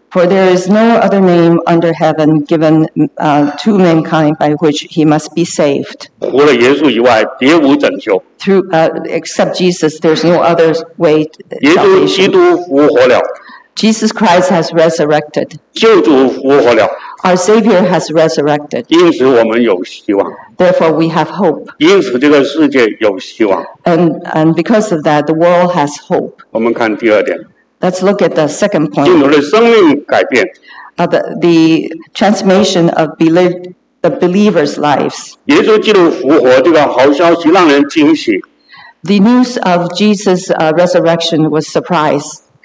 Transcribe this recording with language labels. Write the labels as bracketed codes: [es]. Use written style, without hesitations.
[en] For there is no other name under heaven given to mankind by which he must be saved. [zh] 除了耶稣以外,别无拯救。 [en] Through, except Jesus, there's no other way to. Jesus Christ has resurrected. [zh] 救主复活了。 [en] Our Savior has resurrected. [zh] 因此我们有希望。 [en] Therefore, we have hope. [zh] 因此这个世界有希望。 [en] And because of that, the world has hope. [zh] 我们看第二点。 [en] Let's look at the second point. [zh] 基督徒的生命改变, [en] the transformation of the believers' lives. [zh] 耶稣基督复活这个好消息让人惊喜。 [en] The news of Jesus' resurrection was a surprise.